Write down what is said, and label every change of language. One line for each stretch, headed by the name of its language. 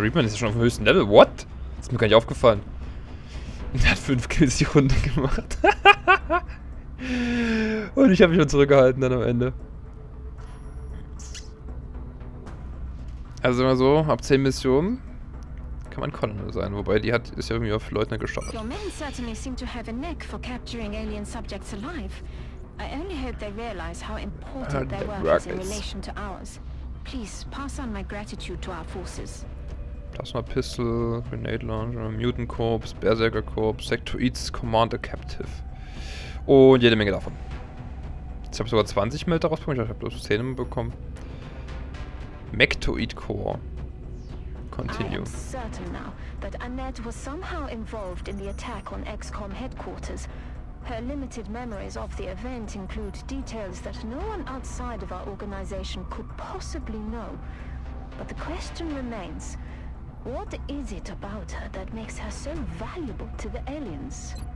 German: Reapman ist ja schon auf dem höchsten Level.
English: What?
German: Das ist mir gar nicht aufgefallen. Er hat 5 Kills die Runde gemacht. Und ich habe mich schon zurückgehalten dann am Ende. Also immer so, ab 10 Missionen kann man Colonel sein. Wobei, die hat ist ja irgendwie auf Leutner gestartet.
English: Your men certainly seem to have a knack for capturing alien subjects alive. I only hope they realize how important their work is in relation to ours. Please pass on my gratitude to our forces. Plasma Pistol, Grenade Launcher, Mutant Corps, Berserker Corps, Sectoids, Commander Captive.
German: Und jede Menge davon. Jetzt habe ich sogar 20 Meld daraus bekommen, ich habe bloß 10 bekommen.
English: Mectoid Core. Continue. I'm certain now that Annette was somehow involved in the attack on XCOM headquarters. Her limited memories of the event include details that no one outside of our organization could possibly know. But the question remains. What is it about her that makes her so valuable to the aliens?